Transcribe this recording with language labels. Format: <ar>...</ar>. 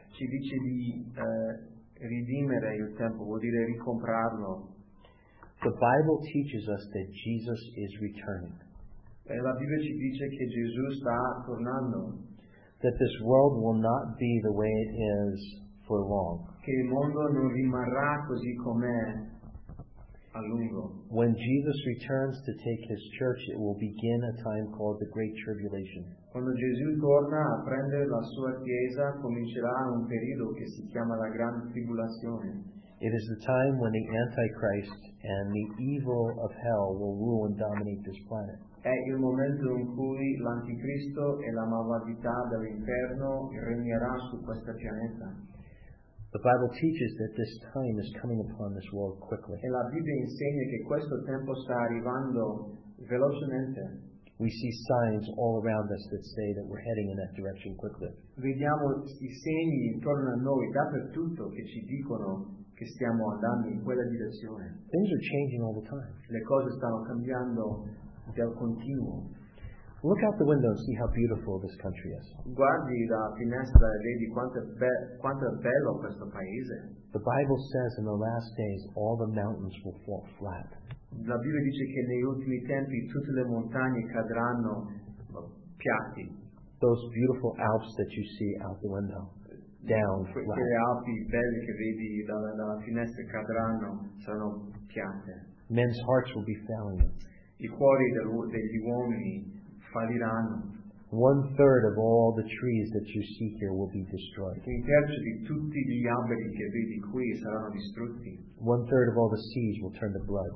<it>Ci dice di redimere il tempo, vuol dire ricomprarlo.</it> <en>The Bible teaches us that Jesus is returning.</en> <it>E la Bibbia ci dice che Gesù sta tornando.</it> <en>That this world will not be the way it is for long.</en> <it>Che il mondo non rimarrà così com'è a lungo.</it> <en>When Jesus returns to take his church, it will begin a time called the Great Tribulation.</en> <it>Quando Gesù torna a prendere la sua chiesa, comincerà un periodo che si chiama la Gran Tribolazione.</it> <en>It is the time when the Antichrist and the evil of hell will rule and dominate this planet.</en> <it>È il momento in cui l'anticristo e la malvagità dell'inferno regnerà su questo pianeta.</it> <en>The Bible teaches that this time is coming upon this world quickly.</en> <it>E la Bibbia insegna che questo tempo sta arrivando velocemente.</it> <en>We see signs all around us that say that we're heading in that direction quickly.</en> <it>Vediamo i segni intorno a noi dappertutto che ci dicono che stiamo andando in quella direzione.</it> <en>Things are changing all the time.</en> <it>Le cose stanno cambiando del continuo.</it> <en>Look out the window and see how beautiful this country is.</en> <it>Guardi la finestra e vedi quanto è bello questo paese.</it> <en>The Bible says in the last days all the mountains will fall flat.</en> <it>La Bibbia dice che negli ultimi tempi tutte le montagne cadranno piatti.</it> <en>Those beautiful Alps that you see out the window, down flat.</en> <it>Quelle Alpi belle che vedi dalla finestra cadranno, saranno piatte.</it> <en>Men's hearts will be failing.</en> <it>I cuori degli uomini falliranno.</it> <en>One third of all the trees that you see here will be destroyed.</en> <it>Un terzo di tutti gli alberi che vedi qui saranno distrutti.</it> <en>One third of all the seas will turn to blood.</en>